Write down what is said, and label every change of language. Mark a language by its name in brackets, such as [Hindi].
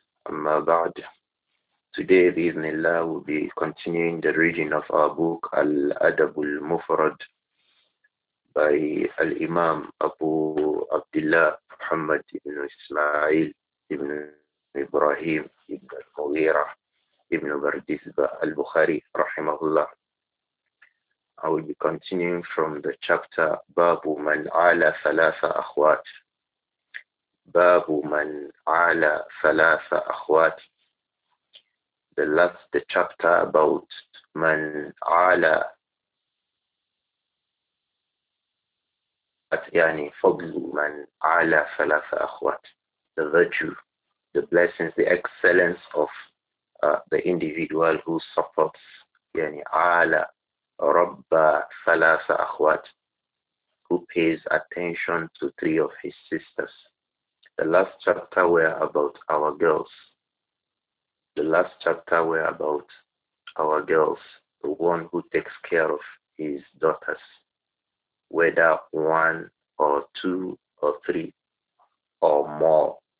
[Arabic] أما بعد، [English] today [Arabic] بإذن الله [English] we'll be continuing the reading of our book [Arabic] الأدب المفرد by الإمام أبو عبد الله محمد بن إسماعيل بن إبراهيم ابن المغيرة ابن بردسبة البخاري رحمه الله. [English] I will be continuing from the chapter [Arabic] باب من عالى ثلاثة أخوات. باب من عالى ثلاثة أخوات. [English] The last the chapter about [Arabic] من عالى يعني فضل من عالى ثلاثة أخوات. [English] The virtue, the blessings, the excellence of the individual who supports [Arabic] يعني على رب ثلاثة أخوات, [English] who pays attention to three of his sisters. The last chapter were about our girls. The last chapter were about our girls, the one who takes care of his daughters, whether one or two or three or more.